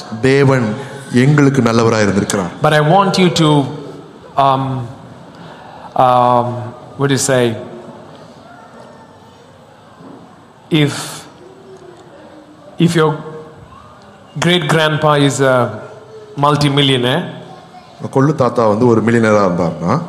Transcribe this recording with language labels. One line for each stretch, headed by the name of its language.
Tamil: தேவன் எங்களுக்கு நல்லவராய் இருந்திருக்கிறார்.
English: But I want you to what do you say, if your great grandpa is a multimillionaire,
Tamil: கொள்ளு தாத்தா வந்து ஒரு மில்லியனரா இருந்தாருனா,